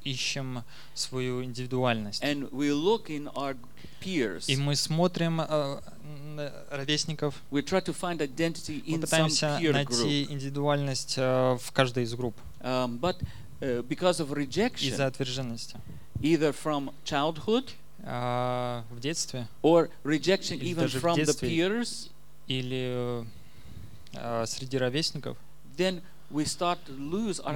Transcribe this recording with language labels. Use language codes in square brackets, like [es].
[ru] Мы ищем свою индивидуальность. [en] And we look in our peers. [ru] И мы смотрим на ровесников. [en] We try to find identity in some peer group. [ru] Мы пытаемся найти индивидуальность в каждой из групп. [en] But because of rejection, [ru] из-за отверженности, [en] either from childhood, [ru] в детстве, [en] or rejection even from the peers, [ru] или среди ровесников, [en] then we start to lose our identity.